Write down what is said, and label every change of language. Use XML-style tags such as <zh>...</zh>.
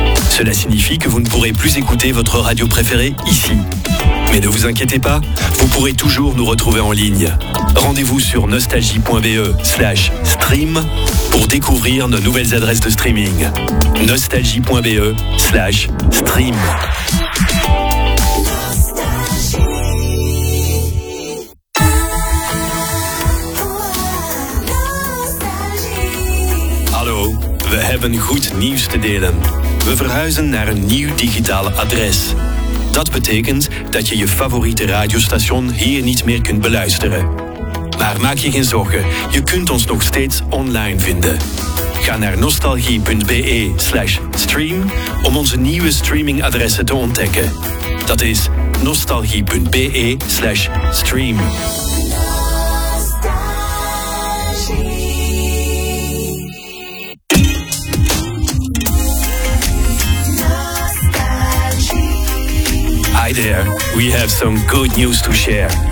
<fr>Cela signifie que vous ne pourrez plus écouter votre radio préférée ici. Mais ne vous inquiétez pas, vous pourrez toujours nous retrouver en ligne. Rendez-vous sur nostalgie.be/stream pour découvrir nos nouvelles adresses de streaming. nostalgie.be/stream.</fr> <nl>We hebben goed nieuws te delen. We verhuizen naar een nieuw digitaal adres. Dat betekent dat je je favoriete radiostation hier niet meer kunt beluisteren. Maar maak je geen zorgen, je kunt ons nog steeds online vinden. Ga naar nostalgie.be/stream om onze nieuwe streamingadressen te ontdekken. Dat is nostalgie.be/stream.</nl> <en>Hi there, we have some good news to share.</en>